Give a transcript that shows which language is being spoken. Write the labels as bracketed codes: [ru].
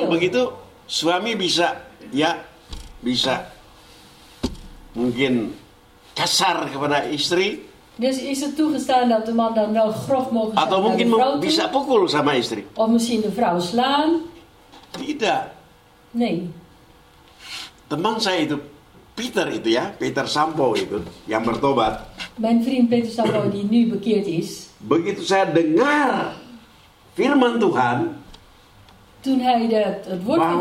[id] Kalau begitu suami bisa ya bisa mungkin kasar kepada istri. [nl] Dus is het toegestaan dat de man dan wel grof mogen zijn? [id] Atau mungkin [nl] de vrouw toe, [id] bisa pukul sama istri. [nl] Of misschien de vrouw slaan? [id] Tidak. [nl] Nee. [id] Teman saya itu Peter itu ya, Peter Sampo itu yang bertobat. [nl] Mijn vriend Peter Sampo die nu bekeerd is. [id] Begitu saya dengar firman Tuhan, [nl] toen hij het woord van God